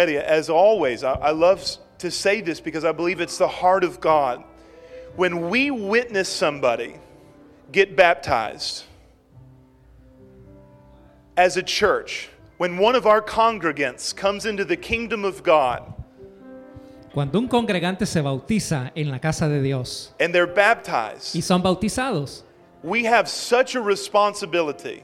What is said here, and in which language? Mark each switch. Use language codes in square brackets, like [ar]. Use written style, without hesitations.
[en] As he's getting ready, as always, I love to say this because I believe it's the heart of God. When we witness somebody get baptized as a church, when one of our congregants comes into the kingdom of God, [es] cuando un congregante se bautiza en la casa de Dios, [en] and they're baptized, [es] y son bautizados, [en] we have such a responsibility.